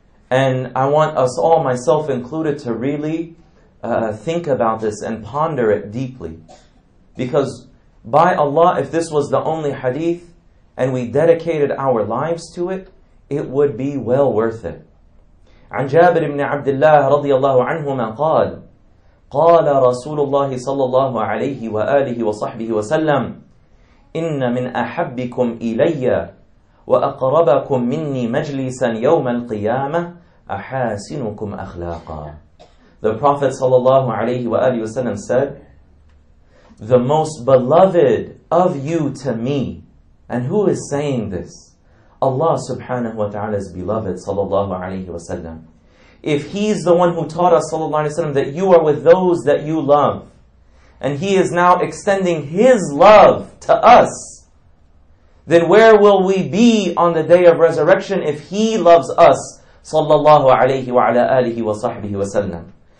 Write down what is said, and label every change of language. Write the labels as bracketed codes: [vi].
[en] And I want us all, myself included, to really think about this and ponder it deeply. Because by Allah, if this was the only hadith, and we dedicated our lives to it, it would be well worth it. [ar] عن جابر بن عبد الله رضي الله عنهما قال قال رسول الله صلى الله عليه وآله وصحبه وسلم إن من أحبكم إلي وأقربكم مني مجلسا يوم القيامة أحاسنكم أخلاقا. [en] The Prophet [ar] صلى الله عليه وآله وسلم [en] said, the most beloved of you to me. And who is saying this? Allah [ar] subhanahu wa ta'ala's [en] beloved, [ar] sallallahu alayhi wa sallam. [en] If he's the one who taught us, [ar] sallallahu alayhi wa sallam, [en] that you are with those that you love, and he is now extending his love to us, then where will we be on the day of resurrection if he loves us, [ar] sallallahu alayhi wa ala alihi wa sahbihi wa sallam?